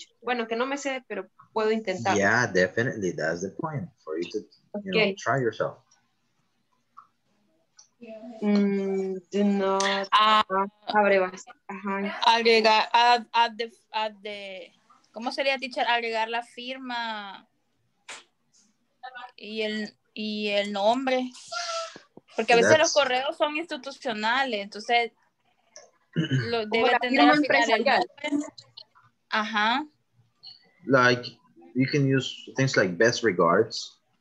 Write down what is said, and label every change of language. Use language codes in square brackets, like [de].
[es] Bueno, que no me sé, pero puedo intentar. [en] Yeah, definitely. That's the point for you to you know, try yourself. Do not [es] agregar [en] add the [es] ¿cómo sería, teacher? Agregar la firma y el nombre, porque a veces los correos son institucionales, entonces lo debe tener la firma empresarial. Ajá. [en] Like you can use things like best regards.